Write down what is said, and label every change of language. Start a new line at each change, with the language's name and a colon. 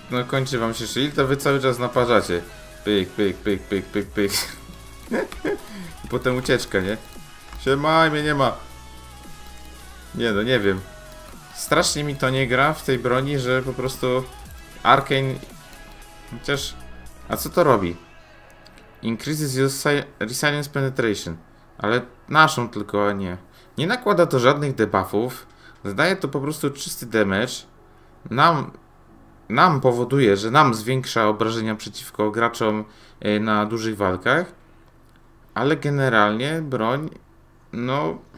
Polish: No kończy wam się shield, to wy cały czas naparzacie. Pyk, pyk, pyk, pyk, pyk, pyk. I potem ucieczka, nie? Siemaj, mnie nie ma. Nie no, nie wiem. Strasznie mi to nie gra w tej broni, że po prostu... Arcane... Chociaż... A co to robi?
English: Increases your resilience penetration.
Polish: Ale naszą tylko, a nie. Nie nakłada to żadnych debuffów. Zadaje to po prostu czysty damage. Nam powoduje, że nam zwiększa obrażenia przeciwko graczom na dużych walkach. Ale generalnie broń... No...